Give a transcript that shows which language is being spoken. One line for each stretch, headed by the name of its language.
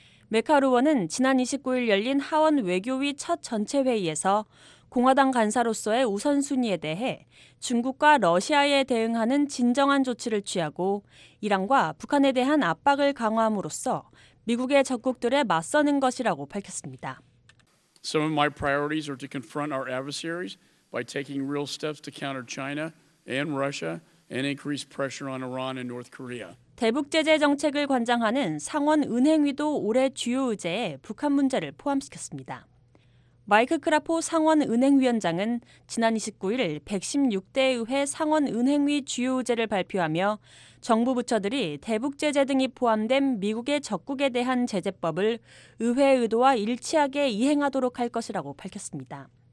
Korean: 맥카울 의원은 지난 29일 열린 하원 외교위 첫 전체 회의에서 공화당 간사로서의 우선순위에 대해 중국과 러시아에 대응하는 진정한 조치를 취하고 이란과 북한에 대한 압박을 강화함으로써 미국의 적국들에 맞서는 것이라고 밝혔습니다.
English: Some of my priorities are to confront our adversaries by taking real steps to counter China and Russia and increase pressure on Iran and North Korea.
Korean: 대북 제재 정책을 관장하는 상원 은행위도 올해 주요 의제에 북한 문제를 포함시켰습니다. 마이크 크라포 상원 은행위원장은 지난 29일 116대 의회 상원 은행위 주요 의제를 발표하며 정부 부처들이 대북 제재 등이 포함된 미국의 적국에 대한 제재법을 의회 의도와 일치하게 이행하도록 할 것이라고 밝혔습니다.